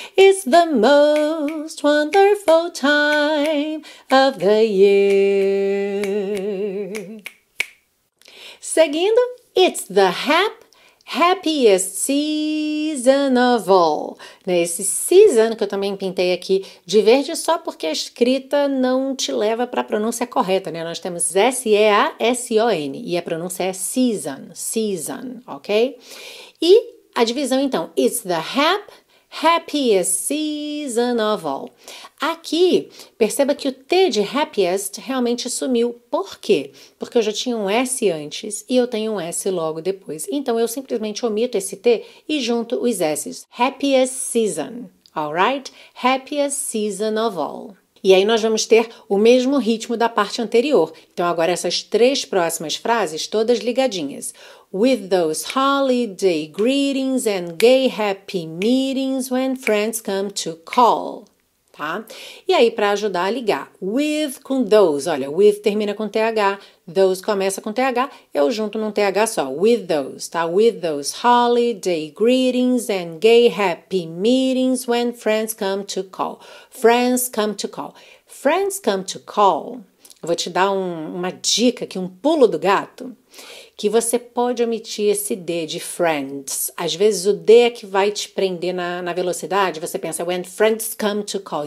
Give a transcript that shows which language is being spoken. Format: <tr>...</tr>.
<en>It's the most wonderful time of the year.</en> <pt>Seguindo,</pt> <en>it's the happiest season of all.</en> <pt>Esse season que eu também pintei aqui de verde só porque a escrita não te leva para a pronúncia correta, né? Nós temos S-E-A-S-O-N e a pronúncia é season, season, ok? E a divisão então,</pt> <en>it's the happiest season of all.</en> <pt>Aqui, perceba que o T de happiest realmente sumiu. Por quê? Porque eu já tinha um S antes e eu tenho um S logo depois. Então, eu simplesmente omito esse T e junto os S's.</pt> <en>Happiest season, alright? Happiest season of all.</en> <pt>E aí, nós vamos ter o mesmo ritmo da parte anterior. Então, agora essas três próximas frases todas ligadinhas.</pt> <en>With those holiday greetings and gay happy meetings when friends come to call.</en> <pt>Tá? E aí, para ajudar a ligar, with com those, olha, with termina com TH, those começa com TH, eu junto num TH só,</pt> <en>with those,</en> <pt>tá?</pt> <en>With those holiday greetings and gay happy meetings when friends come to call. Friends come to call. Friends come to call,</en> <pt>eu vou te dar uma dica aqui, um pulo do gato, que você pode omitir esse D de friends. Às vezes o D é que vai te prender na velocidade. Você pensa</pt> <en>when friends come to call.</en>